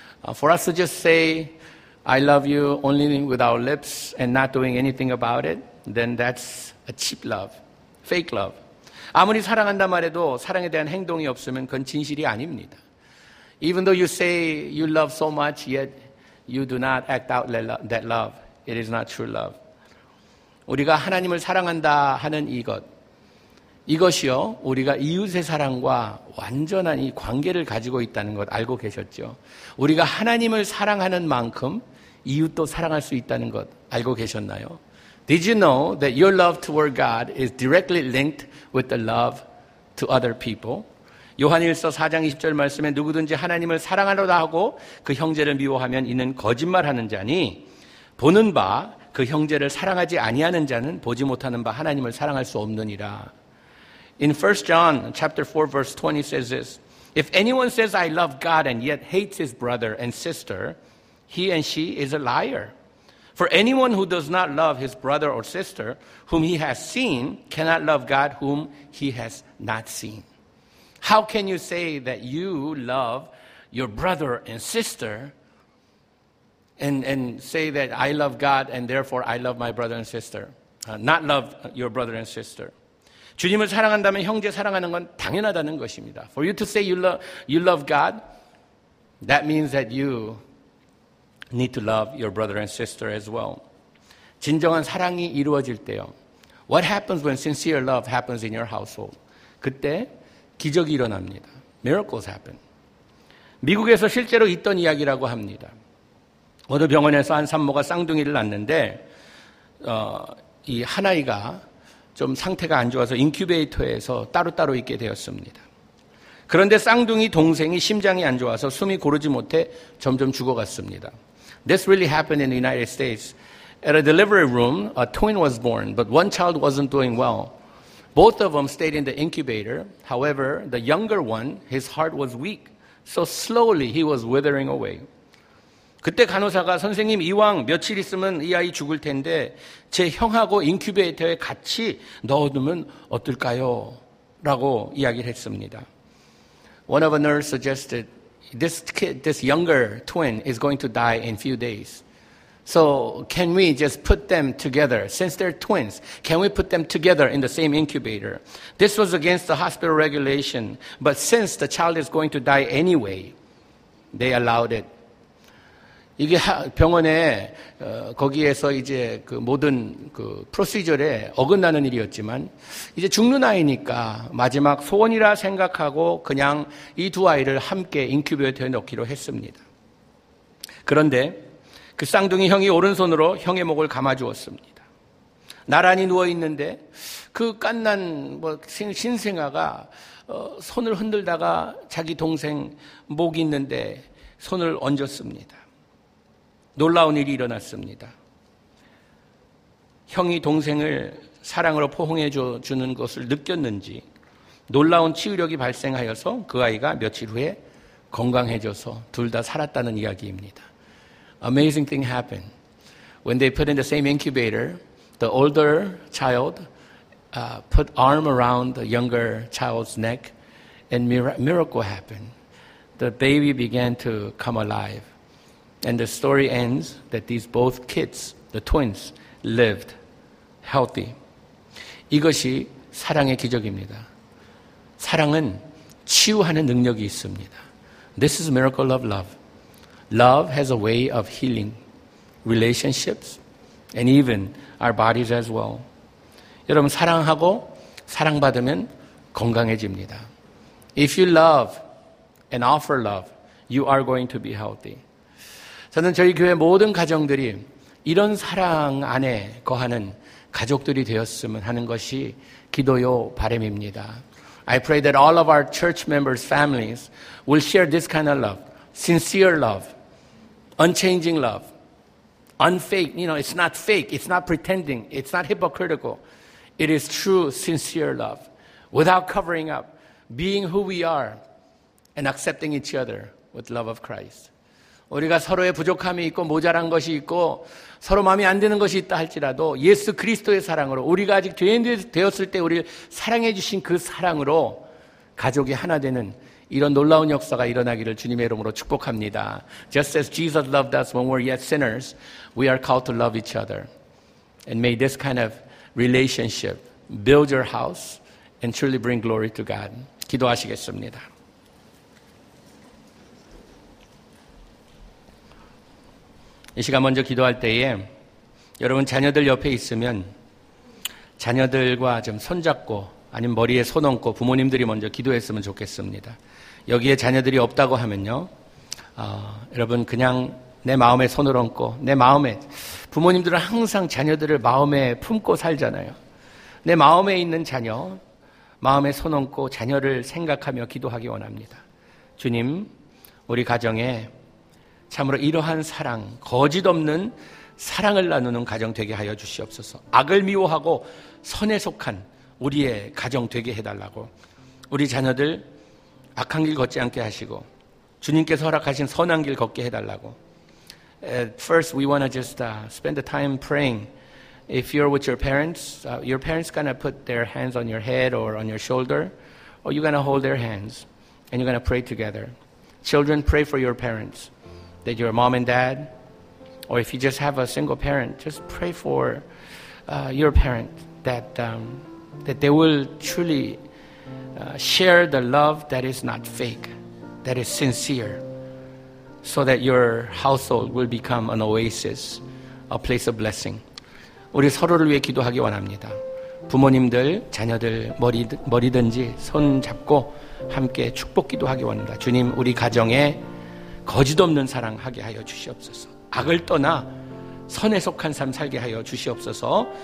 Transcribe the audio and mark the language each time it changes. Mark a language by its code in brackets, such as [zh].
[en] For us to just say, I love you only with our lips and not doing anything about it, then that's a cheap love, fake love. [ko] 아무리 사랑한다 말해도 사랑에 대한 행동이 없으면 그건 진실이 아닙니다. [en] Even though you say you love so much, yet you do not act out that love, it is not true love. [ko] 우리가 하나님을 사랑한다 하는 이것, 이것이요, 우리가 이웃의 사랑과 완전한 이 관계를 가지고 있다는 것 알고 계셨죠? 우리가 하나님을 사랑하는 만큼 이웃도 사랑할 수 있다는 것 알고 계셨나요? [en] Did you know that your love toward God is directly linked with the love to other people? [ko] 요한일서 4장 20절 말씀에 누구든지 하나님을 사랑하려다 하고 그 형제를 미워하면 이는 거짓말하는 자니 보는 바 그 형제를 사랑하지 아니하는 자는 보지 못하는 바 하나님을 사랑할 수 없느니라. [en] In 1 John chapter 4 verse 20 says this, If anyone says I love God and yet hates his brother and sister, he and she is a liar. For anyone who does not love his brother or sister whom he has seen cannot love God whom he has not seen. How can you say that you love your brother and sister and say that I love God and therefore I love my brother and sister, not love your brother and sister? [ko] 주님을 사랑한다면 형제 사랑하는 건 당연하다는 것입니다. [en] For you to say you love God, that means that you need to love your brother and sister as well. [ko] 진정한 사랑이 이루어질 때요. [en] What happens when sincere love happens in your household? [ko] 그때 기적이 일어납니다. [en] Miracles happen. [ko] 미국에서 실제로 있던 이야기라고 합니다. 어느 병원에서 한 산모가 쌍둥이를 낳는데 이 한 아이가 좀 상태가 안 좋아서 인큐베이터에서 따로따로 있게 되었습니다. 그런데 쌍둥이 동생이 심장이 안 좋아서 숨이 고르지 못해 점점 죽어갔습니다. [en] This really happened in the United States. At a delivery room, a twin was born, but one child wasn't doing well. Both of them stayed in the incubator. However, the younger one, his heart was weak. So slowly, he was withering away. [ko] 그때 간호사가 선생님 이왕 며칠 있으면 이 아이 죽을 텐데 제 형하고 인큐베이터에 같이 넣어두면 어떨까요? 라고 이야기를 했습니다. [en] One of the nurses suggested this kid, this younger twin is going to die in a few days. So can we just put them together? Since they're twins, can we put them together in the same incubator? This was against the hospital regulation, but since the child is going to die anyway, they allowed it. [ko] 이게 병원에 거기에서 이제 그 모든 그 프로시저에 어긋나는 일이었지만 이제 죽는 아이니까 마지막 소원이라 생각하고 그냥 이 두 아이를 함께 인큐베이터에 넣기로 했습니다. 그런데 그 쌍둥이 형이 오른손으로 형의 목을 감아주었습니다. 나란히 누워있는데 그 깐난 뭐 신생아가 손을 흔들다가 자기 동생 목 있는데 손을 얹었습니다. 놀라운 일이 일어났습니다. 형이 동생을 사랑으로 포옹해 주는 것을 느꼈는지 놀라운 치유력이 발생하여서 그 아이가 며칠 후에 건강해져서 둘 다 살았다는 이야기입니다. [en] Amazing thing happened. When they put in the same incubator, the older child put arm around the younger child's neck, and miracle happened. The baby began to come alive. And the story ends that these both kids, the twins, lived healthy. [ko] 이것이 사랑의 기적입니다. 사랑은 치유하는 능력이 있습니다. [en] This is a miracle of love. Love has a way of healing relationships and even our bodies as well. [ko] 여러분, 사랑하고 사랑받으면 건강해집니다. [en] If you love and offer love, you are going to be healthy. [ko] 저는 저희 교회 모든 가정들이 이런 사랑 안에 거하는 가족들이 되었으면 하는 것이 기도요 바람입니다. [en] I pray that all of our church members' families will share this kind of love, sincere love, unchanging love, unfake, you know, it's not fake, it's not pretending, it's not hypocritical. It is true, sincere love, without covering up, being who we are, and accepting each other with love of Christ. [ko] 우리가 서로의 부족함이 있고 모자란 것이 있고 서로 마음이 안 드는 것이 있다 할지라도 예수 그리스도의 사랑으로 우리가 아직 죄인 되었을 때 우리를 사랑해 주신 그 사랑으로 가족이 하나 되는 이런 놀라운 역사가 일어나기를 주님의 이름으로 축복합니다. [en] Just as Jesus loved us when we were yet sinners, we are called to love each other. And may this kind of relationship build your house and truly bring glory to God. [ko] 기도하시겠습니다. 이 시간 먼저 기도할 때에 여러분 자녀들 옆에 있으면 자녀들과 좀 손잡고 아니면 머리에 손 얹고 부모님들이 먼저 기도했으면 좋겠습니다. 여기에 자녀들이 없다고 하면요. 여러분 그냥 내 마음에 손을 얹고 내 마음에 부모님들은 항상 자녀들을 마음에 품고 살잖아요. 내 마음에 있는 자녀 마음에 손 얹고 자녀를 생각하며 기도하기 원합니다. 주님 우리 가정에 참으로 이러한 사랑, 거짓 없는 사랑을 나누는 가정 되게 하여 주시옵소서. 악을 미워하고 선에 속한 우리의 가정 되게 해달라고. 우리 자녀들 악한 길 걷지 않게 하시고 주님께서 허락하신 선한 길 걷게 해달라고. [en] At first, we want to just spend the time praying. If you're with your parents gonna put their hands on your head or on your shoulder, or you're gonna hold their hands and you're gonna pray together. Children, pray for your parents. That your mom and dad, or if you just have a single parent, just pray for your parent that that they will truly share the love that is not fake, that is sincere, so that your household will become an oasis, a place of blessing. [ko] 우리 서로를 위해 기도하기 원합니다. 부모님들, 자녀들 머리든지 손 잡고 함께 축복 기도하기 원합니다. 주님, 우리 가정에 거짓 없는 사랑 하게 하여 주시옵소서. 악을 떠나 선에 속한 삶 살게 하여 주시옵소서.